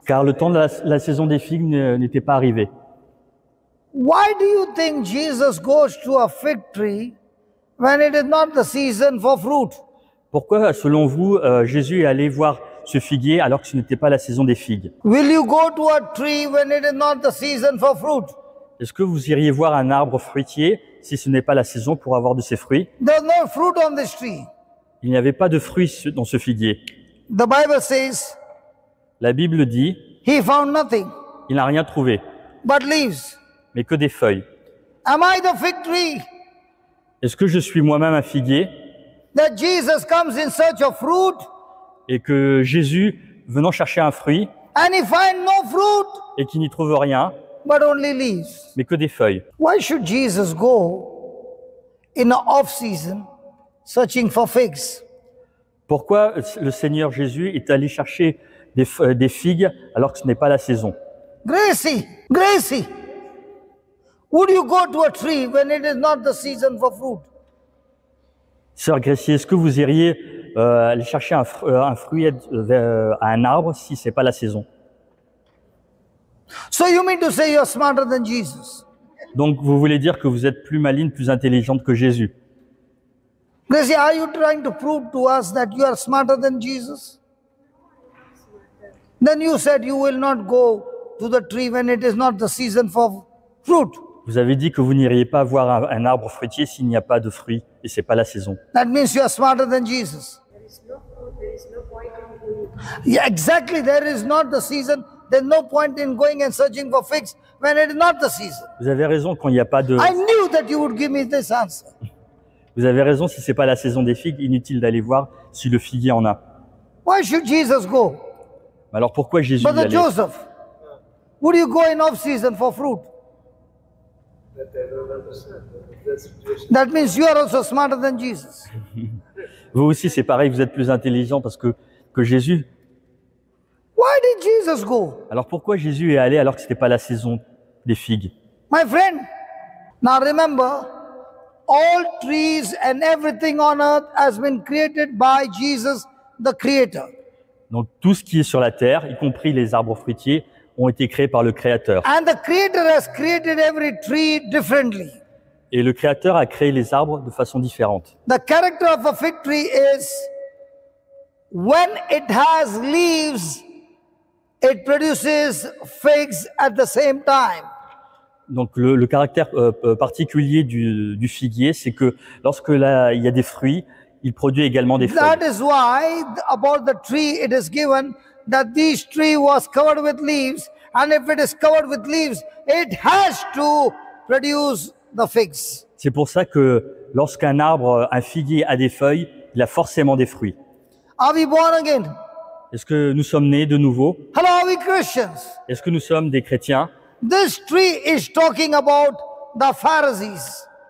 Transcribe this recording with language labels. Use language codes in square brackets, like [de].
[fr] Car le temps de la saison des figues n'était pas arrivé. [en] Why do you think Jesus goes to a fig tree when it is not the season for fruit? [fr] Pourquoi, selon vous, Jésus est allé voir ce figuier alors que ce n'était pas la saison des figues? [en] Will you go to a tree when it is not the season for fruit? [fr] Est-ce que vous iriez voir un arbre fruitier si ce n'est pas la saison pour avoir de ses fruits? [en] There's no fruit on this tree. [fr] Il n'y avait pas de fruits dans ce figuier. [en] The Bible says, [fr] La Bible dit, [en] he found nothing. [fr] Il n'a rien trouvé. [en] But leaves. [fr] Mais que des feuilles. [en] Am I the fig tree? [fr] Est-ce que je suis moi-même un figuier? [en] That Jesus comes in search of fruit. [fr] Et que Jésus venant chercher un fruit. [en] And he find no fruit. [fr] Et qu'il n'y trouve rien. [en] But only leaves. [fr] Mais que des feuilles. [en] Why should Jesus go in the off season searching for figs? [fr] Pourquoi le Seigneur Jésus est allé chercher des figues alors que ce n'est pas la saison? [en] Gracie, Gracie, would you go to a tree when it is not the season for fruit? [fr] Sœur Gracie, est-ce que vous iriez aller chercher un fruit à un arbre si ce n'est pas la saison? [en] So you mean to say you're smarter than Jesus? [fr] Donc vous voulez dire que vous êtes plus maligne, plus intelligente que Jésus? [en] Gracie, are you trying to prove to us that you are smarter than Jesus? Then you said you will not go to the tree when it is not the season for fruit. [fr] Vous avez dit que vous n'iriez pas voir un arbre fruitier s'il n'y a pas de fruits et c'est pas la saison. [en] That means you are smarter than Jesus. Yeah, exactly. There is not the season. There's no point in going and searching for figs when it is not the season. [fr] Vous avez raison quand il n'y a pas de. [en] I knew that you would give me this answer. [fr] Vous avez raison si c'est pas la saison des figues, inutile d'aller voir si le figuier en a. [en] Why should Jesus go? [fr] Alors pourquoi Jésus y allait? [en] But Joseph, would you go in off season for fruit? That means you are also smarter than Jesus. [fr] Vous aussi, c'est pareil, vous êtes plus intelligent parce que Jésus. [en] Why did Jesus go? [fr] Alors pourquoi Jésus est allé alors que ce n'était pas la saison des figues? [en] My friend, now remember, all trees and everything on earth has been created by Jesus, the Creator. [fr] Donc tout ce qui est sur la terre, y compris les arbres fruitiers, ont été créés par le Créateur. [en] And the Creator has created every tree differently. [fr] Et le Créateur a créé les arbres de façon différente. [en] The character of a fig tree is when it has leaves, it produces figs at the same time. [fr] Donc le caractère particulier du figuier, c'est que lorsque là il y a des fruits, il produit également des feuilles. [en] That is why about the tree it is given that this tree was covered with leaves and if it is covered with leaves it has to produce the figs. [fr] C'est pour ça que lorsqu'un arbre, un figuier a des feuilles, il a forcément des fruits. [en] Are we born again? [fr] Est-ce que nous sommes nés de nouveau? [en] Hello, are we Christians? [fr] Est-ce que nous sommes des chrétiens? [en] This tree is talking about the Pharisees.